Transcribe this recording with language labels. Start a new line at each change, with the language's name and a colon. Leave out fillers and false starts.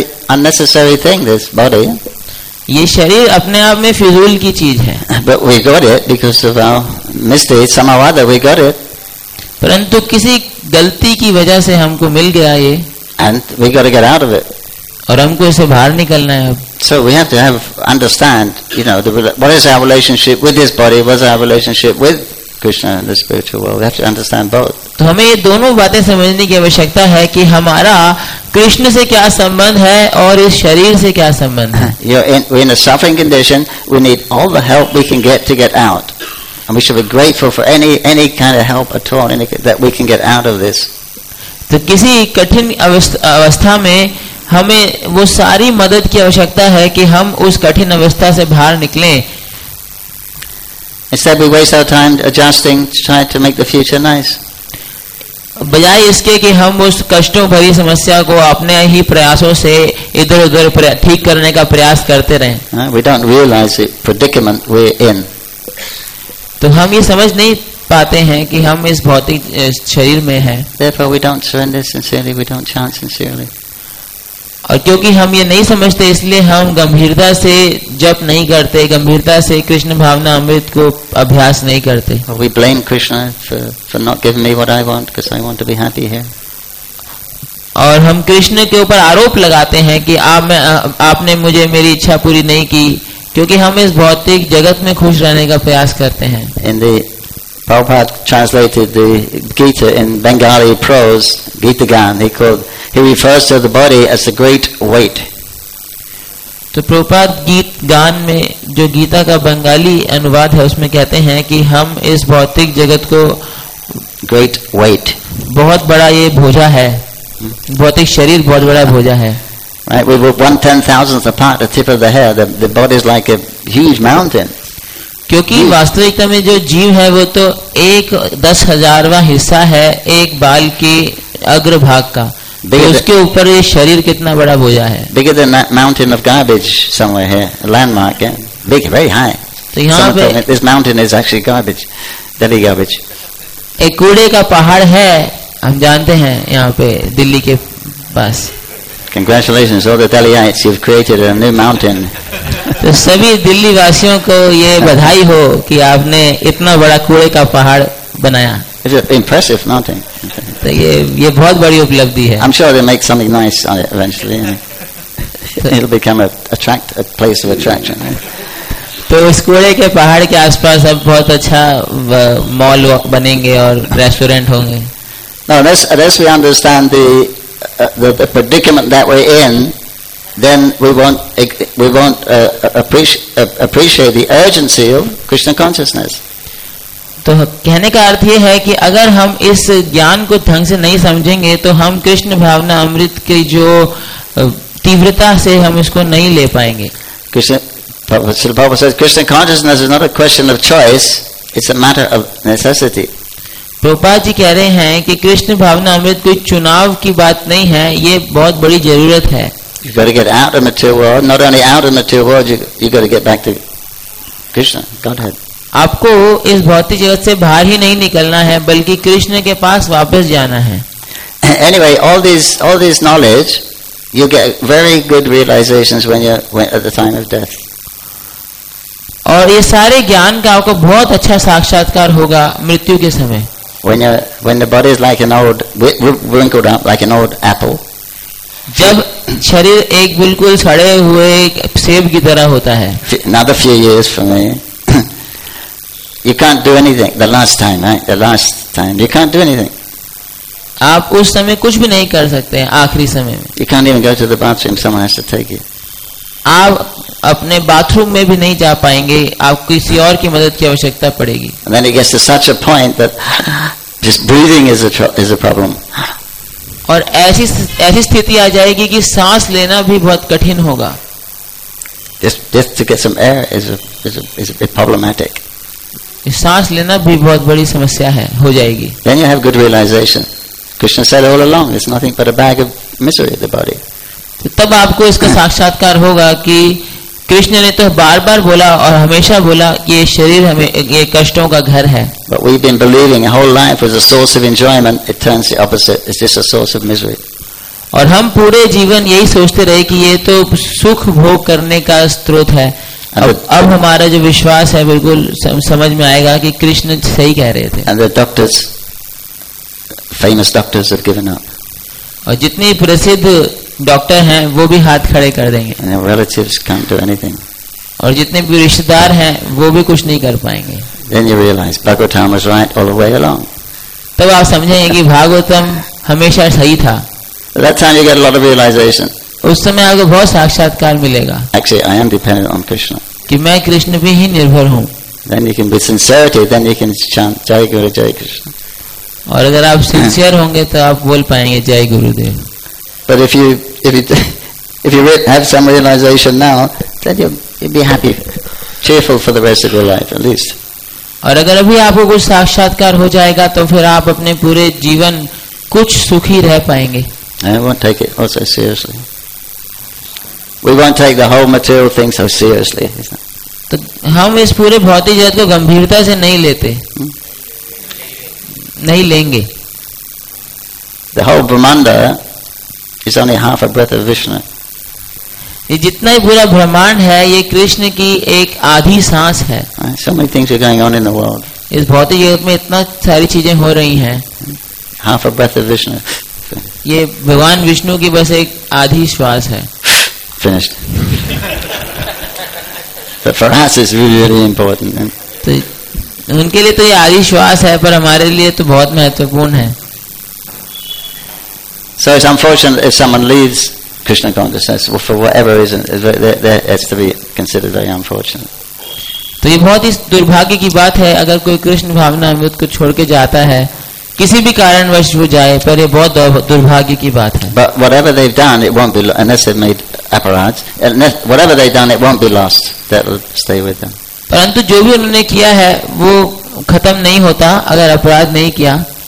English: Unnecessary thing, this body.
Hindi: ये शरीर अपने आप में फिजूल की चीज है.
English: But we got it because of our mistakes, somehow other we got it.
Hindi: परंतु किसी गलती की वजह से हमको मिल गया ये.
English: And we got to get out of it.
Hindi: और हमको इसे बाहर निकलना है अब.
English: So we have to have understand, you know, what is our relationship with this body, what is our relationship with Krishna and the spiritual world. We have to understand both.
Hindi: तो हमें ये दोनों बातें समझने की आवश्यकता है कि हमारा कृष्ण से क्या संबंध है और इस शरीर से क्या संबंध है.
English: We're in a suffering condition. We need all the help we can get to get out, and we should be grateful for any kind of help at all that we can get out of this.
Hindi: तो किसी कठिन अवस्था में हमें वो सारी मदद की आवश्यकता है कि हम उस कठिन अवस्था से बाहर निकलें.
English: Instead, we waste our time adjusting to try to make the future nice.
Hindi: बजाय इसके कि हम उस कष्टों भरी समस्या को अपने ही प्रयासों से इधर उधर ठीक करने का प्रयास करते रहें.
English: We don't realize the predicament we're in.
Hindi: तो हम ये समझ नहीं पाते हैं कि हम इस भौतिक शरीर में हैं.
English: Therefore, we don't surrender sincerely. We don't chant sincerely.
Hindi: और क्योंकि हम ये नहीं समझते, इसलिए हम गंभीरता से जप नहीं करते, गंभीरता से कृष्ण भावना अमृत को अभ्यास नहीं करते.
English: We blame Krishna for not giving me what I want because I want to be happy here.
Hindi: और हम कृष्ण के ऊपर आरोप लगाते हैं कि आपने मुझे मेरी इच्छा पूरी नहीं की, क्योंकि हम इस भौतिक जगत में खुश रहने का प्रयास करते हैं.
English: In the Prabhupada translated the Gita in Bengali prose, Gita Gan, he called. He refers to the body as the great weight.
Hindi: तो प्रभुपाद गीत गान में जो गीता का बंगाली अनुवाद है उसमें कहते हैं कि हम इस भौतिक जगत को
English: great weight,
Hindi: बहुत बड़ा ये भोजा है, भौतिक शरीर बहुत बड़ा भोजा है.
English: Right, we were 1/10,000th apart, the tip of the hair. The body is like a huge mountain.
Hindi: क्योंकि वास्तविकता में जो जीव है वो तो 1/10,000वां हिस्सा है एक बाल के अग्र भाग का. तो उसके ऊपर ये शरीर कितना बड़ा भोजा है.
English: Bigger than that mountain of garbage somewhere here, a landmark, yeah? Big, very high.
Hindi: तो यहाँ पे
English: this mountain is actually garbage, Delhi garbage.
Hindi: एक कूड़े का पहाड़ है हम जानते हैं यहाँ पे दिल्ली के पास.
English: Congratulations, all the Delhiites, you've created a new mountain.
Hindi: तो सभी दिल्ली वासियों को ये बधाई हो कि आपने इतना बड़ा कूड़े का पहाड़ बनाया.
English: It's an impressive mountain.
Hindi: तो ये बहुत बड़ी उपलब्धि है.
English: I'm sure they make something nice on it eventually. It'll become a place of attraction.
Hindi: तो इस कूड़े के पहाड़ के आसपास अब बहुत अच्छा मॉल बनेंगे और रेस्टोरेंट होंगे.
English: Now, unless we understand the predicament that we're in, then we won't appreciate the urgency of Krishna consciousness.
Hindi: तो कहने का अर्थ ये है कि अगर हम इस ज्ञान को ढंग से नहीं समझेंगे तो हम कृष्ण भावना अमृत के जो तीव्रता से हम इसको नहीं ले पाएंगे.
English: Krishna consciousness is not a question of choice, it's a matter of necessity.
Hindi: Prabhupada ji कह रहे हैं कि कृष्ण भावना अमृत कोई चुनाव की बात नहीं है, ये बहुत बड़ी जरूरत है.
English: You got to get out of the material world, not only out of the material world, you got to get back to Krishna, Godhead.
Hindi: आपको इस भौतिक जगत से बाहर ही नहीं निकलना है बल्कि कृष्ण के पास वापस जाना है.
English: Anyway, all this knowledge, you get very good realizations when at the time of death.
Hindi: और ये सारे ज्ञान का आपको बहुत अच्छा साक्षात्कार होगा मृत्यु के समय.
English: When the body is like an old wrinkled up like an old apple.
Hindi: जब शरीर एक बिल्कुल सड़े हुए सेब की तरह होता है.
English: Another few years for me. You can't do anything the last time, right? The last time. You can't do anything.
Hindi: आप उस समय कुछ भी नहीं कर सकते हैं आखिरी समय में.
English: You can't even go to the bathroom. Someone has to take you.
Hindi: आप अपने बाथरूम में भी नहीं जा पाएंगे. आपको किसी और की मदद की आवश्यकता पड़ेगी.
English: And then it gets to such a point that just breathing is a problem.
Hindi: और ऐसी स्थिति आ जाएगी कि सांस लेना भी बहुत कठिन होगा.
English: Just to get some air is a bit problematic.
Hindi: सांस लेना भी बहुत बड़ी समस्या है हो जाएगी.
English: Then you have good realization. Krishna said all along, it's nothing but a bag of misery, the body.
Hindi: तब आपको इसका साक्षात्कार होगा कि कृष्ण ने तो बार बार बोला और हमेशा बोला कि ये शरीर हमें ये कष्टों का घर है.
English: But we've been believing our whole life was a source of enjoyment. It turns the opposite. It's just a source of misery.
Hindi: और हम पूरे जीवन यही सोचते रहे कि ये तो सुख भोग करने का स्रोत है. अब हमारा जो विश्वास है बिल्कुल समझ में आएगा कि कृष्ण सही कह रहे थे.
English: And the doctors, famous doctors have given up.
Hindi: और जितने प्रसिद्ध डॉक्टर हैं वो भी हाथ खड़े कर देंगे.
English: And their relatives can't do anything.
Hindi: और जितने भी रिश्तेदार हैं वो भी कुछ नहीं कर पाएंगे.
English: Then you realize Bhagavatam was right all the way along.
Hindi: तब आप समझेंगे कि भागवतम हमेशा सही था.
English: That time you get a lot of realization.
Hindi: उस समय आपको बहुत साक्षात्कार मिलेगा.
English: Actually, I am dependent on Krishna.
Hindi: कि मैं कृष्ण पे ही निर्भर हूँ.
English: Then you can be sincerity. Then you can chant Jai Guru Jai Krishna.
Hindi: और अगर आप सिंसियर होंगे तो आप बोल पाएंगे जय गुरुदेव.
English: But if you have some realization now, then you'll be happy, cheerful for the rest of your life at least.
Hindi: और अगर अभी आपको कुछ साक्षात्कार हो जाएगा तो फिर आप अपने पूरे जीवन कुछ सुखी रह पाएंगे.
English: I won't take it all so seriously. We won't take the whole material thing so seriously.
Hindi: तो हम इस पूरे भौतिक जगत को गंभीरता से नहीं लेते. नहीं लेंगे.
English: The whole Brahmanda is only half a breath of Vishnu.
Hindi: ये जितना ही पूरा ब्रह्मांड है ये कृष्ण की एक आधी सांस है.
English: So many things are going on in the world.
Hindi: इस भौतिक जगत में इतना सारी चीजें हो रही हैं.
English: Half a breath of Vishnu.
Hindi: ये भगवान विष्णु की बस एक आधी श्वास है.
English: Finished. But for us it's really, really important.
Hindi: उनके लिए तो ये आधी श्वास है पर हमारे लिए तो बहुत महत्वपूर्ण है.
English: So it's unfortunate if someone leaves Krishna consciousness for whatever reason. It has to be considered very unfortunate.
Hindi: तो ये बहुत ही दुर्भाग्य की बात है अगर कोई कृष्ण भावना अमृत को छोड़ के जाता है किसी भी कारणवश वो जाए. पर ये बहुत दुर्भाग्य की बात है.
English: But whatever they've done, it won't be unless they've made aparads. Whatever they've done, it won't be lost. That will stay with them.
Hindi: परंतु जो भी उन्होंने किया है वो खत्म नहीं होता अगर अपराध नहीं किया.